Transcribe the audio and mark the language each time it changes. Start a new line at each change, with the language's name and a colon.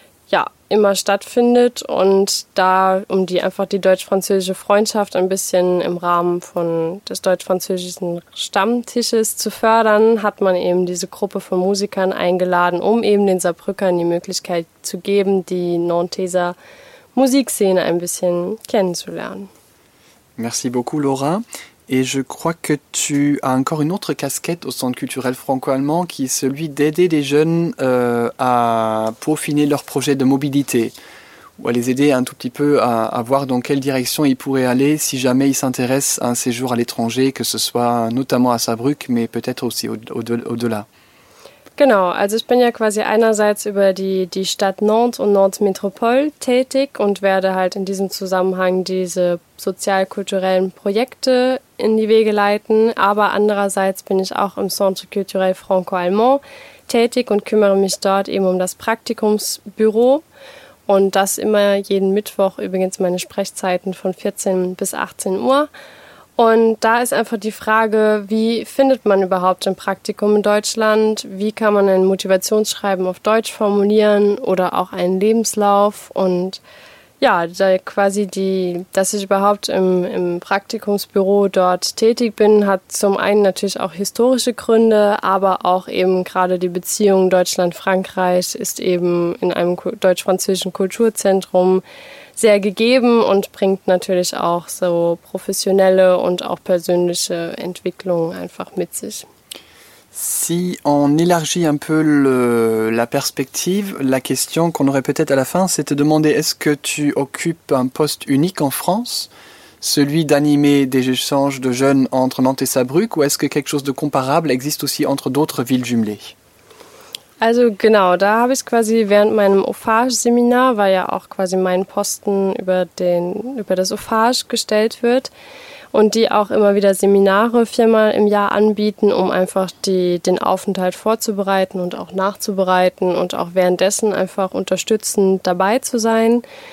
German: ja immer stattfindet und da, um die einfach die deutsch-französische Freundschaft ein bisschen im Rahmen von des deutsch-französischen Stammtisches zu fördern, hat man eben diese Gruppe von Musikern eingeladen, um eben den Saarbrückern die Möglichkeit zu geben, die Nantaiser Musikszene ein bisschen kennenzulernen.
French: Merci beaucoup, Laura. Et je crois que tu as encore une autre casquette au Centre culturel franco-allemand qui est celui d'aider les jeunes à peaufiner leurs projets de mobilité ou à les aider un tout petit peu à voir dans quelle direction ils pourraient aller si jamais ils s'intéressent à un séjour à l'étranger, que ce soit notamment à Saarbrück, mais peut-être aussi au-delà.
German: Genau, also ich bin ja quasi einerseits über die Stadt Nantes und Nantes Métropole tätig und werde halt in diesem Zusammenhang diese sozialkulturellen Projekte in die Wege leiten, aber andererseits bin ich auch im Centre Culturel Franco-Allemand tätig und kümmere mich dort eben um das Praktikumsbüro und das immer jeden Mittwoch, übrigens meine Sprechzeiten von 14 bis 18 Uhr. Und da ist einfach die Frage, wie findet man überhaupt ein Praktikum in Deutschland? Wie kann man ein Motivationsschreiben auf Deutsch formulieren oder auch einen Lebenslauf? Und ja, da quasi dass ich überhaupt im Praktikumsbüro dort tätig bin, hat zum einen natürlich auch historische Gründe, aber auch eben gerade die Beziehung Deutschland-Frankreich ist eben in einem deutsch-französischen Kulturzentrum sehr gegeben und bringt natürlich auch so professionnelle und auch persönliche Entwicklung einfach mit sich.
French: Si on élargit un peu la perspective, la question qu'on aurait peut-être à la fin, c'est de demander est-ce que tu occupes un poste unique en France, celui d'animer des échanges de jeunes entre Nantes et Saarbrück, ou est-ce que quelque chose de comparable existe aussi entre d'autres villes jumelées?
German: Also genau, da habe ich quasi während meinem Ophage-Seminar, weil ja auch quasi mein Posten über das Ophage gestellt wird und die auch immer wieder Seminare viermal im Jahr anbieten, um einfach den Aufenthalt vorzubereiten und auch nachzubereiten und auch währenddessen einfach unterstützend dabei zu sein,